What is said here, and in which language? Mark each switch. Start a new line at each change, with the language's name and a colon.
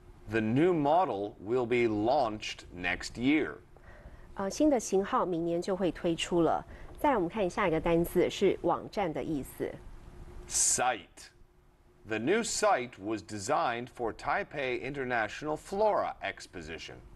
English: The new model will be launched next year.
Chinese: 新的型号明年就会推出了。再来我们看下一个单字是网站的意思。
English: Site. The new site was designed for Taipei International Flora Exposition.